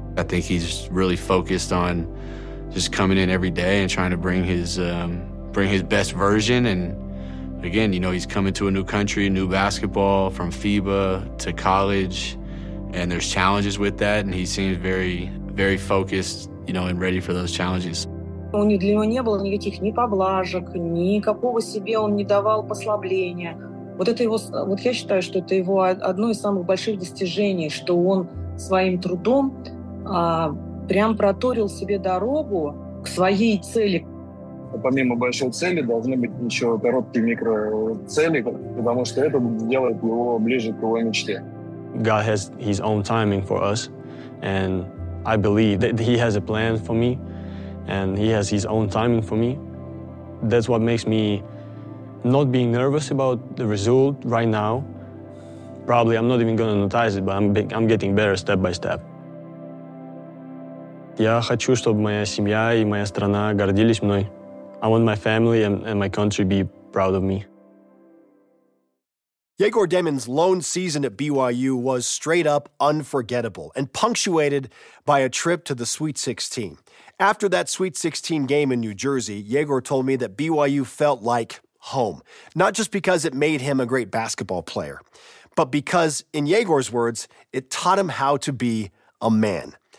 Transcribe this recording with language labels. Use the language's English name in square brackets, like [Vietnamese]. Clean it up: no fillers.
[English] I think he's really focused on just coming in every day and trying to bring his best version. And again, you know, he's coming to a new country, new basketball from FIBA to college, and there's challenges with that. And he seems very, very focused, you know, and ready for those challenges. [Russian] У него для него не было никаких ни поблажек, никакого себе он не давал послабления. Вот это его, вот я считаю, что это его одно из самых больших достижений, что он своим трудом прям проторил себе дорогу к своей цели. Помимо большой цели должны быть еще короткие микроцели, потому что это делает его ближе к его мечте. [English] God has his own timing for us, and I believe that he has a plan for me, and he has his own timing for me. That's what makes me not being nervous about the result right now. Probably I'm not even going to notice it, but I'm getting better step by step. [Russian] Я хочу, чтобы моя семья и моя страна гордились мной. [English] I want my family and my country to be proud of me. Yegor Demin's lone season at BYU was straight up unforgettable and punctuated by a trip to the Sweet 16. After that Sweet 16 game in New Jersey, Yegor told me that BYU felt like home, not just because it made him a great basketball player, but because, in Yegor's words, it taught him how to be a man.